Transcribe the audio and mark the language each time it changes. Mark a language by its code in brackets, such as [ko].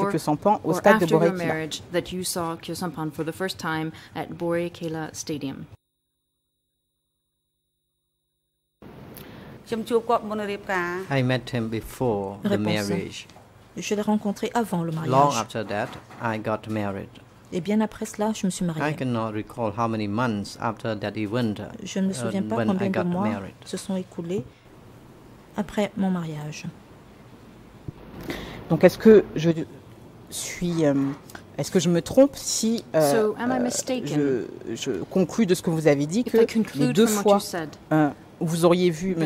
[fr] Kyu Sampan au stade de Borakula? [en] I met him before the marriage. [fr] Je l'ai rencontré avant le mariage. [en] Long after that, I got married. [fr] Et bien après cela, je me suis mariée. [en] I cannot recall how many months after that event. [fr] Je ne me souviens pas combien de mois se sont écoulés après mon mariage. Donc est-ce que je suis est-ce que je me trompe si je conclue de ce que vous avez dit que les deux fois vous auriez vu M.